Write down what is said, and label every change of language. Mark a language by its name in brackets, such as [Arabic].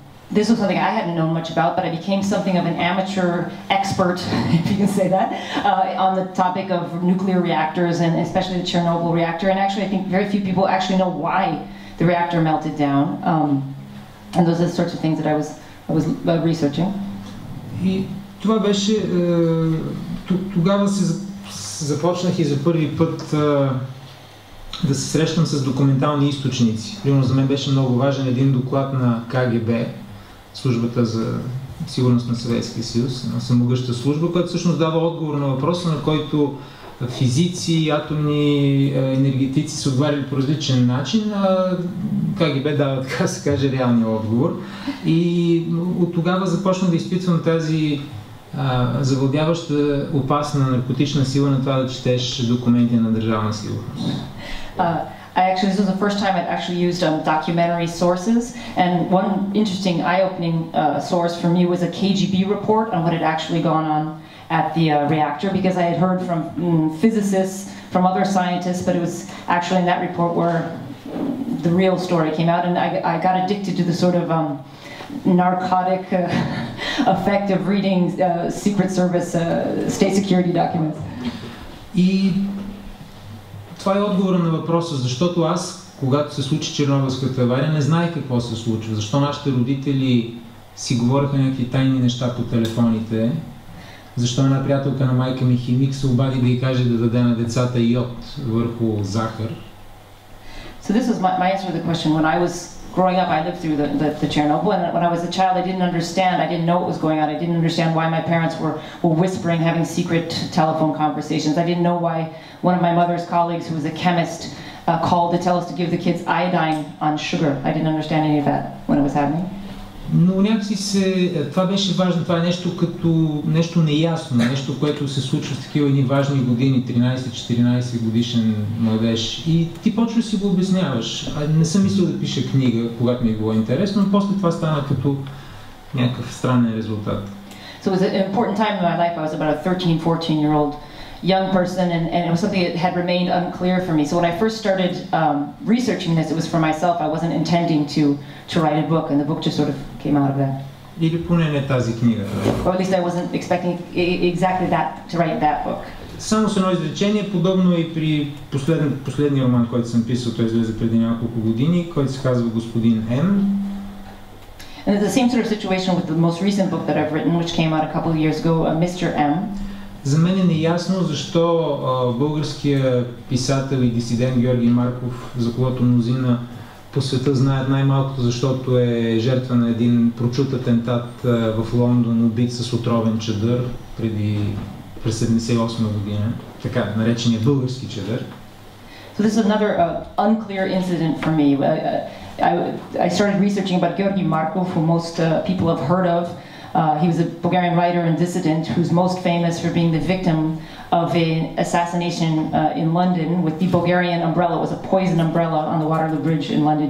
[English] This was something I hadn't known much about, but I became something of an amateur expert, if you can say that, on the topic of nuclear reactors and especially the Chernobyl reactor. And actually, I think very few people actually know why the reactor melted down. And those are the sorts of things that I was researching. [Bulgarian] И това беше, тогава се започнах и за първи път да се срещам с документални източници. Примерно за мен беше много важен един доклад на КГБ, службата за сигурност на Съветския съюз, на самогъща служба, която всъщност дава отговор на въпроса, на който физици, атомни енергетици са отговаряли по различен начин, а КГБ дава, така се каже, реалния отговор. И от тогава започна да изпитвам тази завладяваща опасна наркотична сила на това да четеш документи на държавна сигурност. [English] This was the first time I'd actually used documentary sources, and one interesting eye-opening source for me was a KGB report on what had actually gone on at the reactor, because I had heard from physicists, from other scientists, but it was actually in that report where the real story came out, and I got addicted to the sort of narcotic effect of reading Secret Service, state security documents. [Bulgarian] Това е отговора на въпроса, защото аз, когато се случи Чернобилската авария, не знаех какво се случва. Защо нашите родители си говориха някакви тайни неща по телефоните? Защо една приятелка на майка ми химик се обади да ѝ каже да даде на децата йод върху захар? [English] So this is my answer to the question. When I was growing up, I lived through the Chernobyl, and when I was a child, I didn't understand. I didn't know what was going on. I didn't understand why my parents were whispering, having secret telephone conversations. I didn't know why one of my mother's colleagues, who was a chemist, called to tell us to give the kids iodine on sugar. I didn't understand any of that when it was happening. [Bulgarian] Но някакси се, това беше важно, това е нещо като нещо неясно, нещо, което се случва с такива едни важни години, 13-14 годишен младеж. И ти почва да си го обясняваш. Не съм мислил да пиша книга, когато ми е било интересно, но после това стана като някакъв странен резултат. [English] So it was an important time in my life. I was about a 13-14 year old young person, and it was something that had remained unclear for me. So when I first started researching this, it was for myself. I wasn't intending to write a book, and the book just sort of came out of that. [Bulgarian] Или поне не тази книга. [English] Or at least I wasn't expecting exactly that, to write that book. [Bulgarian] Само с едно изречение, подобно и при последния роман, който съм писал, той излезе преди няколко години, който се казва Господин М. [English] And it's the same sort of situation with the most recent book that I've written, which came out a couple of years ago, Mr. M. [Bulgarian] За мен е неясно защо българският писател и дисидент Георги Марков, за когото мнозина по света знаят най-малкото, защото е жертва на един прочут атентат в Лондон, убит с отровен чадър през 78-ма година, така наречения български чадър. [English] So this is another unclear incident for me. I started researching about Георги Марков, who most people have heard of. He was a Bulgarian writer and dissident who's most famous for being the victim of an assassination in London with the Bulgarian umbrella. It was a poison umbrella on the Waterloo Bridge in London.